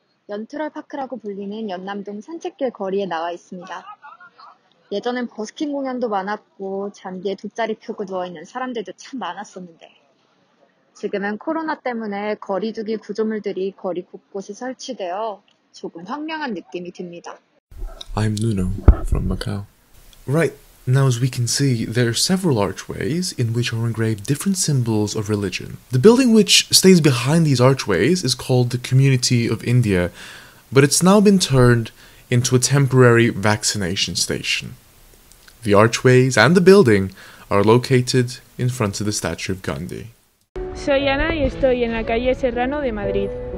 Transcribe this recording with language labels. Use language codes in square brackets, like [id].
[ko] 연트럴 파크라고 불리는 연남동 산책길 거리에 나와 있습니다. 예전엔 버스킹 공연도 많았고 잔디에 돗자리 펴고 누워 있는 사람들도 참 많았었는데 지금은 코로나 때문에 거리두기 구조물들이 거리 곳곳에 설치되어 조금 황량한 느낌이 듭니다. [en] I'm Nuno from Macau. Right, now as we can see, there are several archways in which are engraved different symbols of religion. The building which stays behind these archways is called the Community of India, but it's now been turned into a temporary vaccination station. The archways and the building are located in front of the statue of Gandhi. [es] Soy Ana y estoy en la calle Serrano de Madrid.